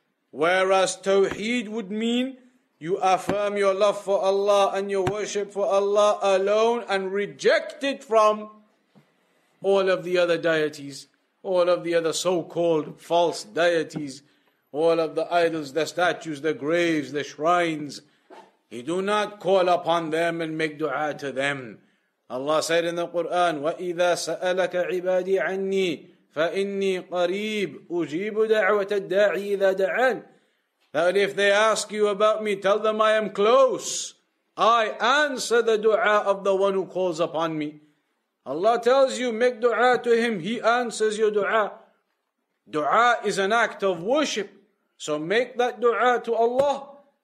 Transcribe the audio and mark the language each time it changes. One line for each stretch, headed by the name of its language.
English: Whereas Tawheed would mean you affirm your love for Allah and your worship for Allah alone and reject it from all of the other deities, all of the other so-called false deities, all of the idols, the statues, the graves, the shrines. You do not call upon them and make dua to them. Allah said in the Quran,
Arabic: وَإِذَا سَأَلَكَ عِبَادِي عَنِّي فَإِنِّي قَرِيبٌ أُجِيبُ دَعْوَةَ الدَّاعِي إِذَا دَعَانِ.
English: That if they ask you about me, tell them I am close. I answer the dua of the one who calls upon me. Allah tells you, make dua to him, he answers your dua. Dua is an act of worship. So make that dua to Allah.